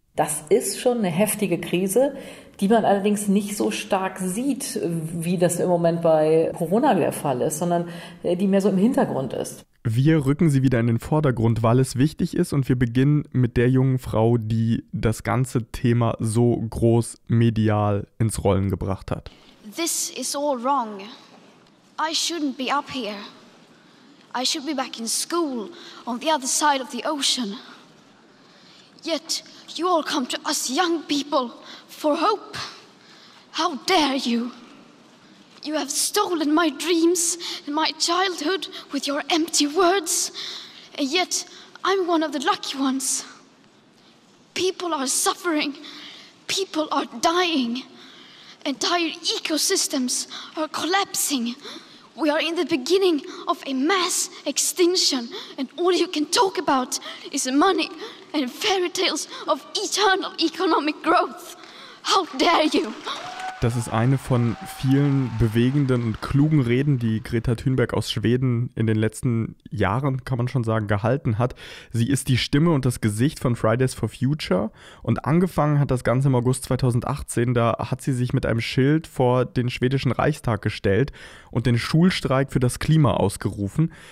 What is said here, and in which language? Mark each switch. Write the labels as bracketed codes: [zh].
[de] Das ist schon eine heftige Krise, die man allerdings nicht so stark sieht, wie das im Moment bei Corona der Fall ist, sondern die mehr so im Hintergrund ist. Wir rücken sie wieder in den Vordergrund, weil es wichtig ist, und wir beginnen mit der jungen Frau, die das ganze Thema so groß medial ins Rollen gebracht hat. [en] This is all wrong. I shouldn't be up here. I should be back in school on the other side of the ocean. Yet you all come to us young people for hope. How dare you? You have stolen my dreams and my childhood with your empty words. And yet I'm one of the lucky ones. People are suffering. People are dying. Entire ecosystems are collapsing. We are in the beginning of a mass extinction. And all you can talk about is money and fairy tales of eternal economic growth. How dare you? [de] Das ist eine von vielen bewegenden und klugen Reden, die Greta Thunberg aus Schweden in den letzten Jahren, kann man schon sagen, gehalten hat. Sie ist die Stimme und das Gesicht von Fridays for Future. Und angefangen hat das Ganze im August 2018. Da hat sie sich mit einem Schild vor den schwedischen Reichstag gestellt und den Schulstreik für das Klima ausgerufen.